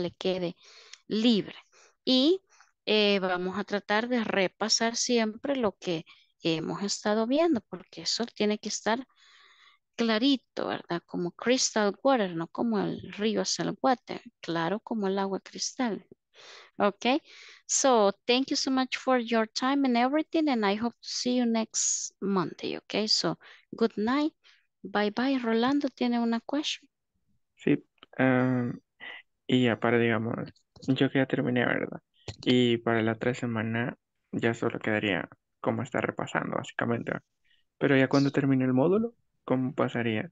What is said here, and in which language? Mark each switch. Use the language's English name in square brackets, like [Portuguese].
[Spanish] Le quede libre. Y vamos a tratar de repasar siempre lo que hemos estado viendo, porque eso tiene que estar clarito, ¿verdad? Como crystal water, no como el río es el water, claro como el agua cristal. [English] Okay, so thank you so much for your time and everything, and I hope to see you next Monday. Okay, so good night. Bye bye. [Spanish] Rolando tiene una question. Sí, y ya para, digamos, yo que ya terminé, ¿verdad? Y para la otra semana ya solo quedaría como estar repasando, básicamente. Pero ya cuando termine el módulo, ¿cómo pasaría?